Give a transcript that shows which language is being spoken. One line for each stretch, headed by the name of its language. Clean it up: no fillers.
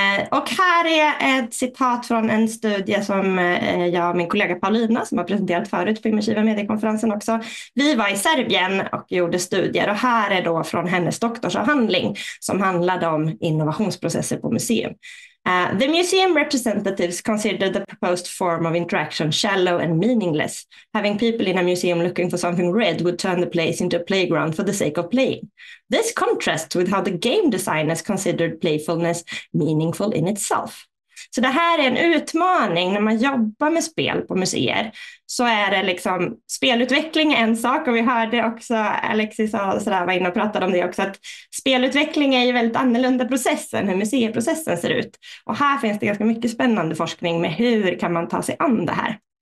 Swedish: Och här är ett citat från en studie som jag och min kollega Paulina, som har presenterat förut på Immersiva mediekonferensen också. Vi var i Serbien och gjorde studier, och här är då från hennes doktorsavhandling som handlade om innovationsprocesser på museum.
English: The museum representatives considered the proposed form of interaction shallow and meaningless. Having people in a museum looking for something red would turn the place into a playground for the sake of playing. This contrasts with how the game designers considered playfulness meaningful in itself.
Swedish: Så det här är en utmaning när man jobbar med spel på museer. Så är det liksom, spelutveckling är en sak, och vi hörde också Alexis och sådär var inne och pratade om det också, att spelutveckling är ju väldigt annorlunda processen, hur museiprocessen ser ut. Och här finns det ganska mycket spännande forskning med hur kan man ta sig an det här.